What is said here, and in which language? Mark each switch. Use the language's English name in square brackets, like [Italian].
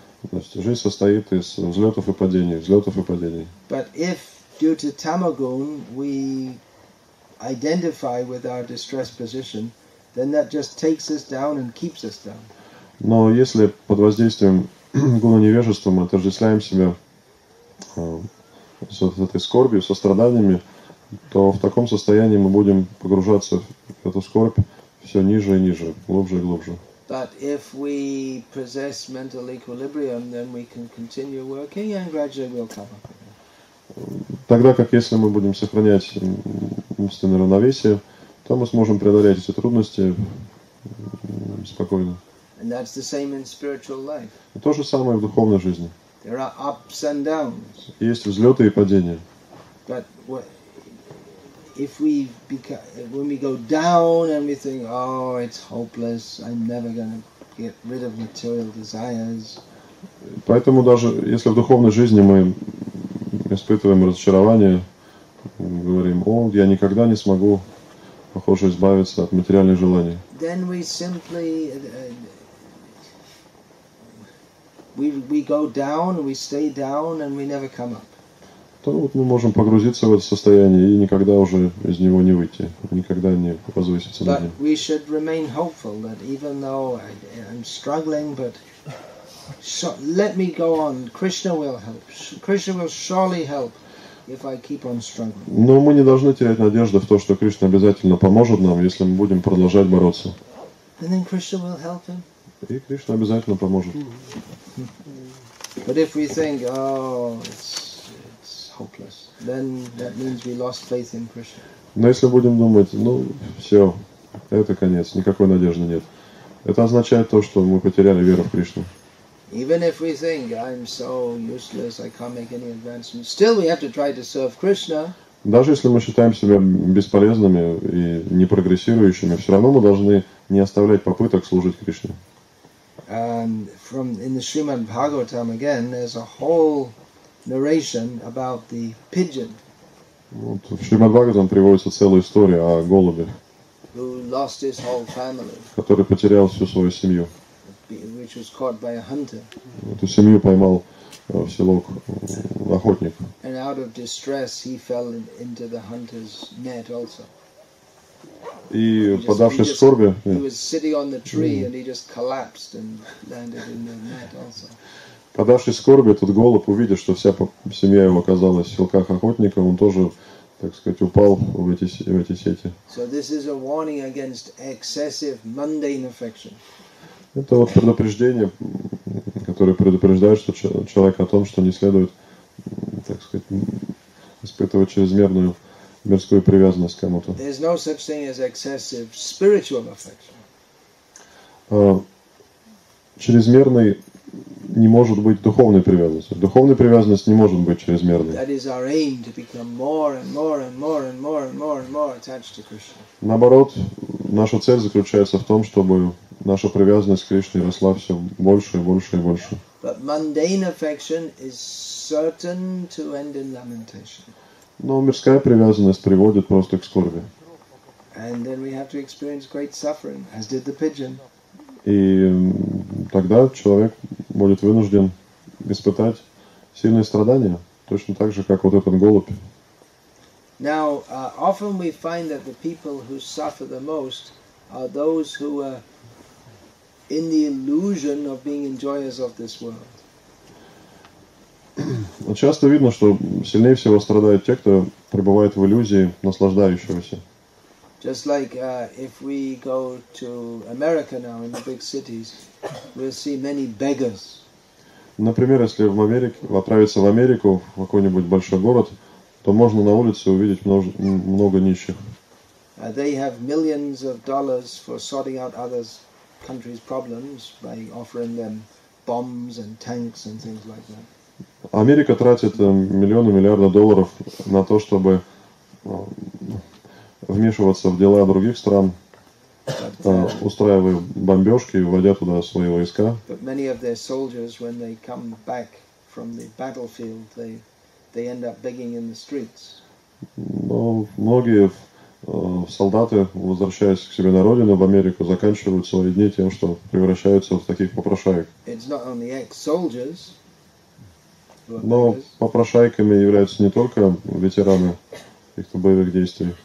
[Russian] То есть жизнь состоит из взлетов и падений, взлетов и падений. [English] But if due to tamagun we identify with our distressed position, then that just takes us down and keeps us down. [Russian] Но если под воздействием гуна невежества мы отождествляем себя с вот этой скорбью, со страданиями, то в таком состоянии мы будем погружаться в эту скорбь все ниже и ниже, глубже и глубже. [English] But if we possess mental equilibrium, then we can continue working and gradually we'll come up. [Russian] Тогда как если мы будем сохранять умственное равновесие, то мы сможем преодолеть эти трудности спокойно. [English] And that's the same in spiritual life. [Russian] То же самое в духовной жизни. [English] There are ups and downs. [Russian] Есть взлеты и падения. [English] But what, if we become, when we go down and we think, oh, it's hopeless, I'm never going to get rid of material desires. [Russian] Поэтому даже если в духовной жизни мы испытываем разочарование, говорим, о, я никогда не смогу, похоже, избавиться от материальных желаний. [English] Then we simply we go down, we stay down, and we never come up. [Russian] То вот мы можем погрузиться в это состояние и никогда уже из него не выйти, никогда не возвыситься над ним. [English] But we should remain hopeful that even though I'm struggling, but let me go on. Krishna will help. Krishna will surely help if I keep on struggling. [Russian] Но мы не должны терять надежды в то, что Кришна обязательно поможет нам, если мы будем продолжать бороться. [English] And then Krishna will help him. [Russian] И Кришна обязательно поможет. [English] But if we think, oh, it's hopeless. Then that means we lost faith in Krishna. [Russian] Но если будем думать, ну все, это конец, никакой надежды нет. Это означает то, что мы потеряли веру в Кришну. [English] Even if we think I'm so useless, I can't make any advancement, still we have to try to serve Krishna. [Russian] Даже если мы считаем себя бесполезными и не прогрессирующими, все равно мы должны не оставлять попыток служить Кришне. [English] And from in the Srimad Bhagavatam again, there's a whole narration about the pigeon. [Russian] Вот в Шримад-Бхагаватам приводится целая история о голубе, [English] who lost his whole family, [Russian] который потерял всю свою семью. [English] Which was caught by a hunter. [Russian] Эту семью поймал в селок охотник. [English] And out of distress he fell into the hunter's net also. [Russian] И подавшись скорби, [English] he was sitting on the tree and he just collapsed and landed in the net also. [Russian] Подавшись скорби, этот голубь, увидев, что вся семья его оказалась в силках охотника, он тоже, так сказать, упал в эти сети. [English] So this is a warning against excessive mundane affection. [Russian] Это вот предупреждение, которое предупреждает что человек о том, что не следует, так сказать, испытывать чрезмерную мирскую привязанность к кому-то. [English] There's no such thing as excessive spiritual affection. [Russian] Чрезмерный не может быть духовной привязанности. Духовная привязанность не может быть чрезмерной. [English] That is our aim, to become more and more and more and more and more attached to Krishna. [Russian] Наоборот, наша цель заключается в том, чтобы наша привязанность к Кришне росла все больше и больше и больше. [English] But mundane affection is certain to end in lamentation. [Russian] Но мирская привязанность приводит просто к скорби. [English] And then we have to experience great suffering, as did the pigeon. [Russian] И тогда человек будет вынужден испытать сильные страдания, точно так же, как вот этот голубь. [English] Now, often we find that the people who suffer the most are those who are in the illusion of being enjoyers of this world. [Russian] Часто видно, что сильнее всего страдают те, кто пребывает в иллюзии наслаждающегося. [English] Just like if we go to America now in the big cities, we'll see many beggars. [Russian] Например, если в Америке, отправиться в Америку, в какой-нибудь большой город, то можно на улице увидеть много нищих. [English] They have millions of dollars for sorting out other countries' problems by offering them bombs and tanks and things like that. [Russian] Америка тратит миллионы, миллиарды долларов на то, чтобы вмешиваться в дела других стран, устраивая бомбежки и вводя туда свои войска. [English] But many of their soldiers, when they come back from the battlefield, they end up begging in the streets. [Russian] Но многие солдаты, возвращаясь к себе на родину, в Америку, заканчивают свои дни тем, что превращаются в таких попрошаек. [English] It's not only ex-soldiers. [Russian] Но попрошайками являются не только ветераны каких-то боевых действий.